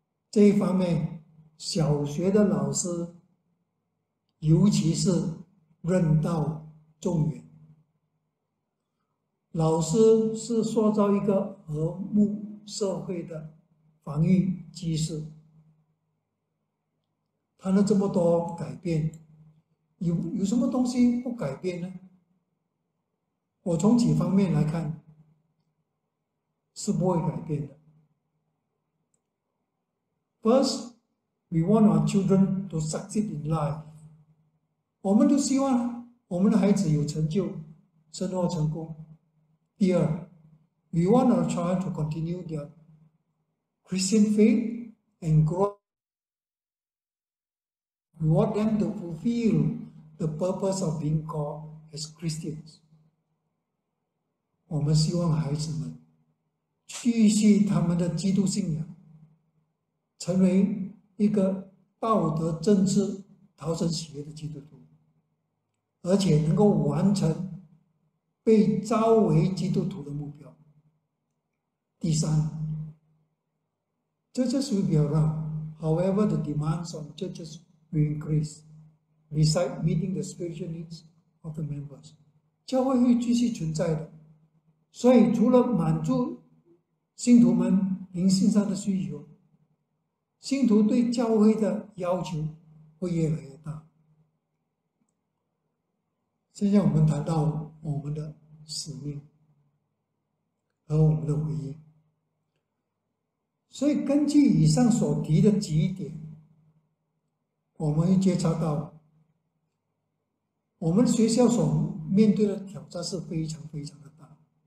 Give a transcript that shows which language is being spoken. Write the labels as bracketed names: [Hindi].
[Chinese] 这一方面小学的老师尤其是任道重远，老师是塑造一个和睦社会的防御机制。谈了这么多改变， 有什么东西不改变呢？我从几方面来看是不会改变的。 [English] First, we want our children to succeed in life. [Chinese] 我们都希望我们的孩子有成就，生活成功。第二， [English] we want our child to continue their Christian faith and grow. We want them to fulfill the purpose of being called as Christians. [Chinese] 我们希望孩子们继续他们的基督信仰，成为一个道德正直、讨神喜悦的基督徒，而且能够完成被召为基督徒的目标。第三， [English] churches will be around, however the demands on churches will increase, besides meeting the spiritual needs of the members. [Chinese] 教会会继续存在的，所以除了满足信徒们灵性上的需求，信徒对教会的要求会越来越大。现在我们谈到我们的使命和我们的回应，所以根据以上所提的几点，我们会觉察到我们学校所面对的挑战是非常非常的大，